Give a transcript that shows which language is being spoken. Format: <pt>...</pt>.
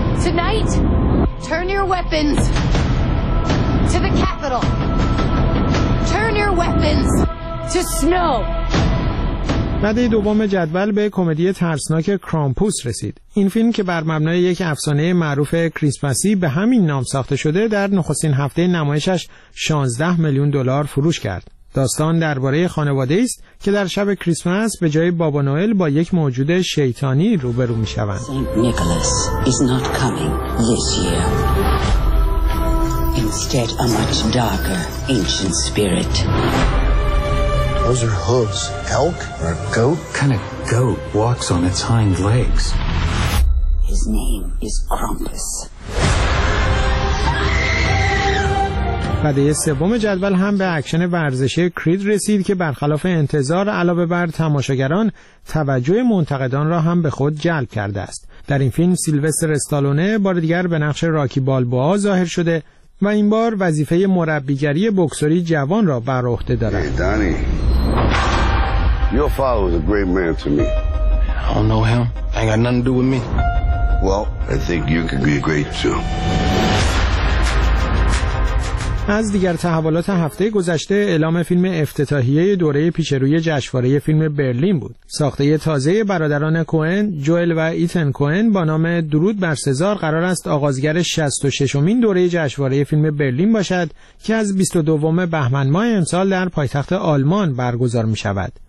<en>Tonight, turn your weapons to the Capitol. Turn your weapons to snow.</en> <fa>رده دوم جدول به کمدی ترسناک کرامپوس رسید. این فیلم که بر مبنای یک افسانه معروف کریسمسی به همین نام ساخته شده، در نخستین هفته نمایشش 16 میلیون دلار فروش کرد. داستان درباره خانواده است که در شب کریسمس به جای بابا نوئل با یک موجود شیطانی روبرو می شوند.</fa> <en>Saint Nicholas is not coming this year. Instead, a much darker ancient spirit. Those are hooves. Elk or a goat? Kind of goat walks on its hind legs. His name is Krampus.</en> <fa>بعدی سوم جدول هم به اکشن ورزشی کرید رسید که برخلاف انتظار علاوه بر تماشاگران، توجه منتقدان را هم به خود جلب کرده است. در این فیلم سیلوستر استالونه بار دیگر به نقش راکی بالبوا ظاهر شده و این بار وظیفه مربیگری بکسوری جوان را بر عهده دارد.</fa> <en>Danny, your father was a great man to me. I don't know him. I ain't got nothing to do with me. Well, I think you could be great too.</en> <fa>از دیگر تحولات هفته گذشته اعلام فیلم افتتاحیه دوره پیشروی جشنواره فیلم برلین بود. ساخته تازه برادران کوئن، جوئل و ایتن کوئن با نام درود بر سزار قرار است آغازگر 66مین دوره جشنواره فیلم برلین باشد که از 22 بهمن ماه امسال در پایتخت آلمان برگزار می شود.</fa>